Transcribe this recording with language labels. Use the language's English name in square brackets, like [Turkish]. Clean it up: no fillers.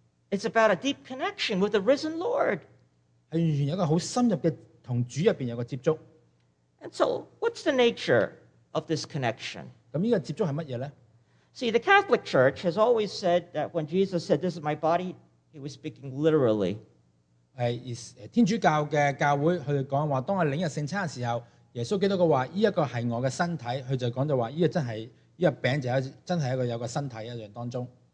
[English] It's about a deep connection with the risen Lord. [Cantonese] 系完全有一个好深入嘅同主入边有个接触。 [English] And so, what's the nature of this connection? [Cantonese] 咁呢个接触系乜嘢咧？ [English] See, the Catholic Church has always said that when Jesus said, "This is my body," He was speaking literally. [Cantonese] 天主教嘅教会佢讲话，当我领入圣餐嘅时候，耶稣基督嘅话，呢一个系我嘅身体，佢就讲就话，呢个真系呢个饼就真系一个有个身体一样当中。